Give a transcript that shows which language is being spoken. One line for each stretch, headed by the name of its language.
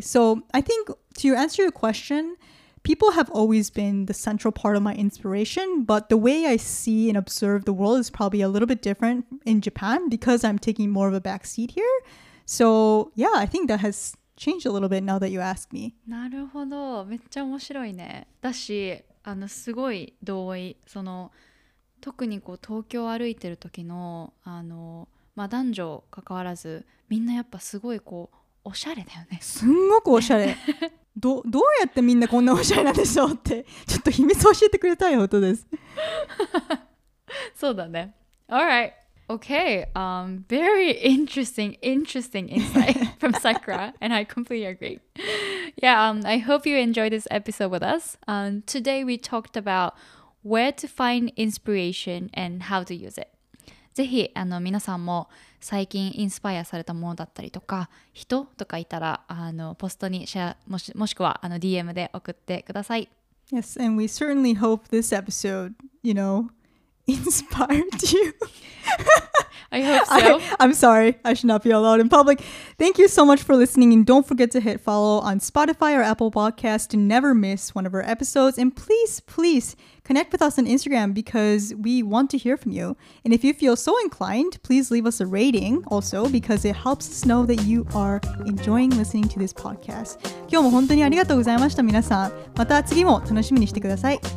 English: So I think to answer your question, people have always been the central part of my inspiration. But the way I see and observe the world is probably a little bit different in Japan because I'm taking more of a backseat here. So, yeah, I think that has... Change a little bit now that you ask me.
Japanese: なるほど、めっちゃ面白いね。だし、あのすごい同意。その特にこう東京歩いてる時のあのまあ男女関わらず、みんなやっぱすごいこうおしゃれだよね。すんごくおしゃれ。どうやってみんなこんなおしゃれなんでしょうってちょっと秘密教えてくれたい音です。そうだね。
English: All right. Okay, very interesting, interesting insight from Sakura, and I completely agree. Yeah, I hope you enjoyed this episode with us. Today we talked about where to find inspiration and how to use it.
Japanese: ぜひあの皆さんも最近インスパイアされたものだったりとか、人とかいたらあのポストにシェア、もしくはあの DM で送ってください。
English: Yes, and we certainly hope this episode, you know, inspired you. I hope so. I'm sorry. I should not be allowed in public. Thank you so much for listening. And don't forget to hit follow on Spotify or Apple Podcasts to never miss one of our episodes. And please, please connect with us on Instagram because we want to hear from you. And if you feel so inclined, please leave us a rating also because it helps us know that you are enjoying listening to this podcast.
Japanese: 今日も本当にありがとうございました、皆さん。また次も楽しみにしてください。